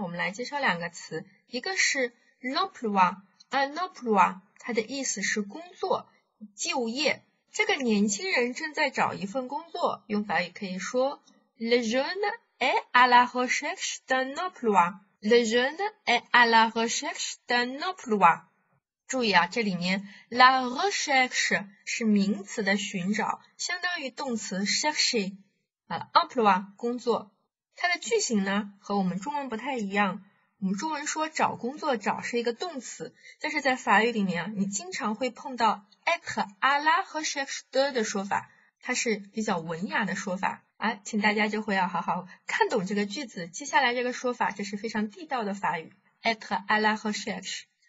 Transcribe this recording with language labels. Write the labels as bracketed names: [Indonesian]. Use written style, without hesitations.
[Chinese] 我们来介绍两个词，一个是 l'emploi， un emploi。它的意思是工作、就业。这个年轻人正在找一份工作，用法语可以说 Le jeune est à la recherche d'un emploi. [French] Le jeune est à la recherche d'un emploi. [Chinese] 注意啊，这里面 la recherche 是名词的寻找，相当于动词 chercher 啊 ，emploi 工作。它的句型呢和我们中文不太一样。我们中文说找工作，找是一个动词，但是在法语里面啊，你经常会碰到 être à la recherche de 的说法，它是比较文雅的说法啊，请大家就会要好好看懂这个句子，接下来这个说法这是非常地道的法语 être à la recherche。